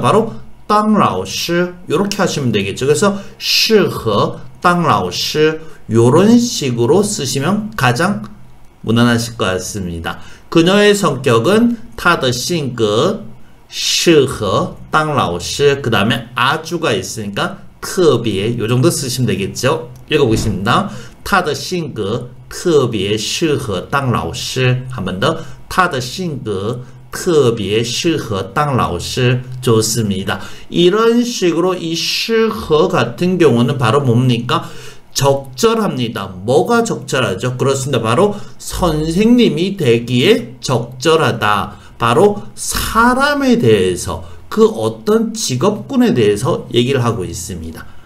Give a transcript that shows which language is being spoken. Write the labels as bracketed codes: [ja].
[ko] 바로 땅라오시 이렇게 하시면 되겠죠. 그래서 시허 땅라오시 이런 식으로 쓰시면 가장 무난하실 것 같습니다. 그녀의 성격은 타더싱그 시허 땅라오시 그 다음에 아주가 있으니까 특비에 이 정도 쓰시면 되겠죠. 읽어보겠습니다. [zh] 他的性格特别适合当老师. [ko] 한 번 더. [zh] 他的性格特别适合当老师. [ko] 좋습니다. 이런 식으로 이 适合 같은 경우는 바로 뭡니까? 적절합니다. 뭐가 적절하죠? 그렇습니다. 바로 선생님이 되기에 적절하다. 바로 사람에 대해서, 그 어떤 직업군에 대해서 얘기를 하고 있습니다.